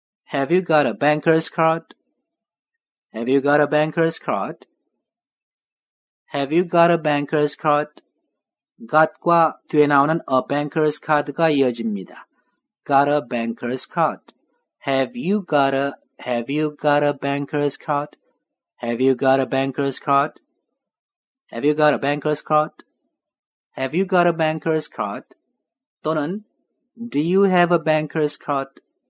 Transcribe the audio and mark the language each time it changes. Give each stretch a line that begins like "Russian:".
English: Have you got a banker's card? Have you got a banker's card? Have you got a banker's card?
Korean: Got과 뒤에 나오는 a banker's card가 이어집니다.
English: Got a banker's card. Have you got a banker's card? Have you got a banker's card? Have you got a banker's card? Have you got a banker's card? 또는 Do you have a banker's card?